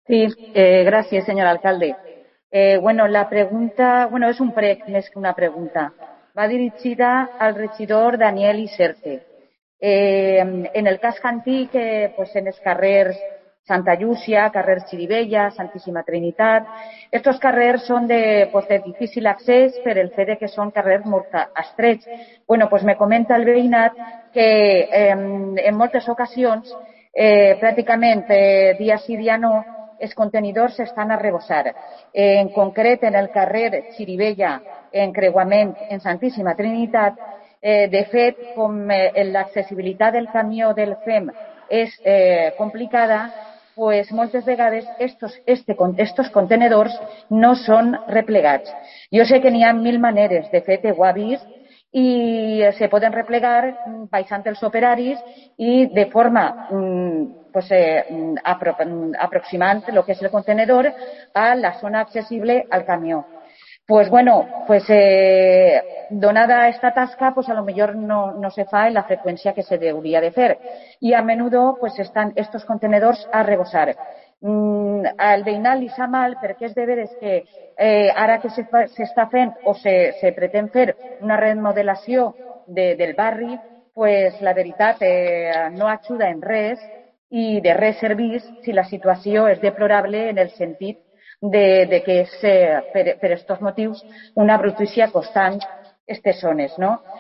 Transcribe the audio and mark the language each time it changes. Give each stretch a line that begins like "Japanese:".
Spanish: Sí, gracias, señor alcalde. Bueno, la pregunta, bueno, es un PREC, no es una pregunta.
Catalan: Va dirigida al regidor Daniel Iserte. En el casco antic, pues en els carrers Santa Llúcia, carrer Xirivella, Santíssima Trinitat, estos carrers són de, pues de difícil accés per el fet de que són carrers molt estrets. Bueno, pues me comenta el veïnat que en moltes ocasions, pràcticament dia sí, dia no, els contenidors s'estan
Spanish: a rebosar.
Catalan: En concret, en el carrer Xirivella, en Creuament, en Santíssima Trinitat, de fet, com l'accessibilitat del camió del FEM és complicada, pues moltes vegades estos contenedors no són replegats. Jo sé que n'hi ha mil maneres, de fet, ho ha vist, i se poden replegar baixant els operaris i de forma pues, aproximant el que és el contenedor a la zona accessible al camió.
Spanish: Pues bueno, pues
Catalan: donada esta tasca,
Spanish: pues a lo mejor
Catalan: no se fa
Spanish: en la frecuencia que se debería de hacer. Y a menudo pues están estos contenedores a rebosar.
Catalan: Al veïnat li sap mal perquè és de veres que ara que s'està fent o se pretén fer una remodelació del barri, pues la veritat no ajuda en res i de res servís si la situació és deplorable en el sentit de que és per estos motius una brutícia constant estes zones, no?